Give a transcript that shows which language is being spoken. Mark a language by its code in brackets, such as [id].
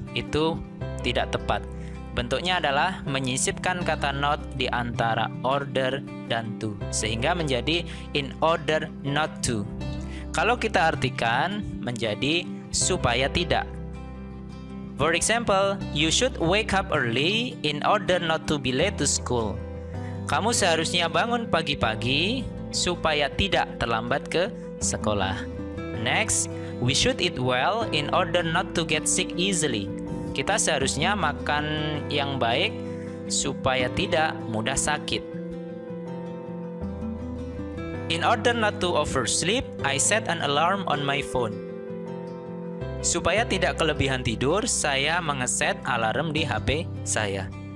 [id] Itu tidak tepat. Bentuknya adalah menyisipkan kata not di antara order dan to, sehingga menjadi in order not to. Kalau kita artikan, menjadi supaya tidak. [en] For example, you should wake up early in order not to be late to school. [id] Kamu seharusnya bangun pagi-pagi supaya tidak terlambat ke sekolah. [en] Next, we should eat well in order not to get sick easily. [id] Kita seharusnya makan yang baik supaya tidak mudah sakit. [en] In order not to oversleep, I set an alarm on my phone. [id] Supaya tidak kelebihan tidur, saya mengeset alarm di HP saya.